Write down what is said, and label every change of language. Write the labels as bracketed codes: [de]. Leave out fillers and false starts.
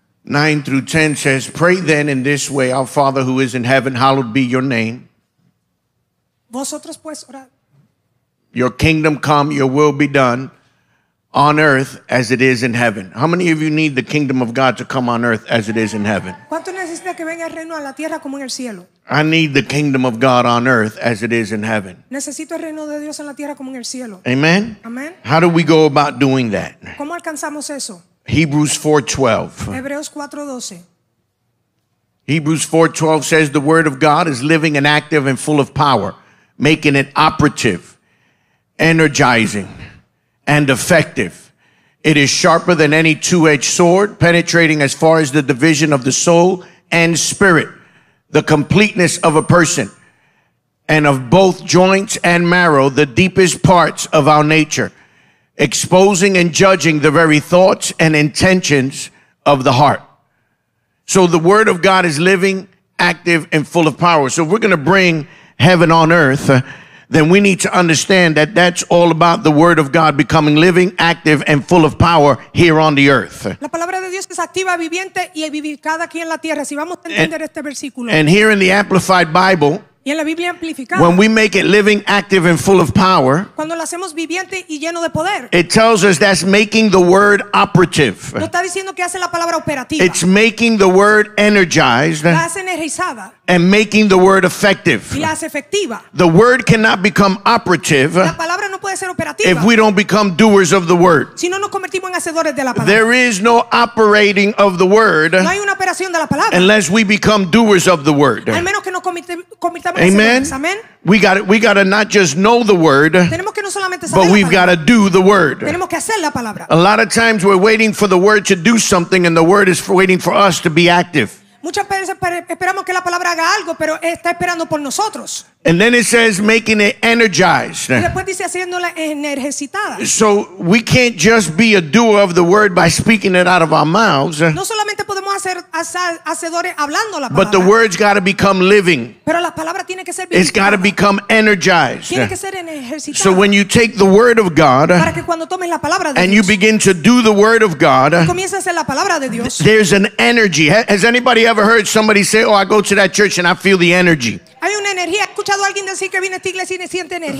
[en] 9 through 10 says, "Pray then in this way, our Father who is in heaven, hallowed be your name. [es] Vosotros pues orad. [en] Your kingdom come, your will be done on earth as it is in heaven." How many of you need the kingdom of God to come on earth as it is in heaven? [es] ¿Cuánto necesita que venga el reino a la tierra como en el cielo? [en] I need the kingdom of God on earth as it is in heaven. [es] Necesito el reino de Dios en la tierra como en el cielo. [en] Amen. [es] Amen. [en] How do we go about doing that? [es] ¿Cómo alcanzamos eso? [en] Hebrews 4:12. [es] Hebreos 4:12. [en] Hebrews 4:12 says the word of God is living and active and full of power, making it operative, energizing, and effective. It is sharper than any two-edged sword, penetrating as far as the division of the soul and spirit, the completeness of a person, and of both joints and marrow, the deepest parts of our nature, exposing and judging the very thoughts and intentions of the heart. So the word of God is living, active, and full of power. So if we're going to bring heaven on earth, then we need to understand that that's all about the word of God becoming living, active, and full of power here on the earth. [es] La palabra de Dios es activa, viviente y vivificada aquí en la tierra. Si vamos a entender este versículo. [en] And here in the Amplified Bible, [es] y en la Biblia amplificada, [en] when we make it living, active, and full of power, [es] cuando lo hacemos viviente y lleno de poder, [en] it tells us that's making the word operative. [es] Lo está diciendo que hace la palabra operativa. [en] It's making the word energized. [es] La hace energizada. [en] And making the word effective. [es] Y la hace efectiva. [en] The word cannot become operative. [es] La palabra no puede ser operativa. [en] If we don't become doers of the word. [es] Si no nos convertimos en hacedores de la palabra. [en] There is no operating of the word. [es] No hay una operación de la palabra. [en] Unless we become doers of the word. [es] Al menos que nos convirtamos en hacedores. Amen. [en] We got to not just know the word, [es] tenemos que no solamente saber, [en] but we've got to do the word. [es] Tenemos que hacer la palabra. [en] A lot of times we're waiting for the word to do something, and the word is waiting for us to be active. [es] Muchas veces esperamos que la palabra haga algo, pero está esperando por nosotros. [en] And then it says making it energized. [es] Y después dice haciéndola energizada. [en] So we can't just be a doer of the word by speaking it out of our mouths. [es] No solamente podemos hacer hacedores hablando la palabra. [en] But the word's got to become living. [es] Pero la palabra tiene que ser [en] vivificada. It's got to become energized. [es] Tiene que ser energizada. [en] So when you take the word of God, [es] para que cuando tomes la palabra de Dios, [en] and you begin to do the word of God, [es] y comienzas a hacer la palabra de Dios, [en] there's an energy. Has anybody ever heard somebody say, "Oh, I go to that church and I feel the energy"? [es] Hay una energía. ¿Has escuchado alguien decir que viene a esta iglesia y siente energía?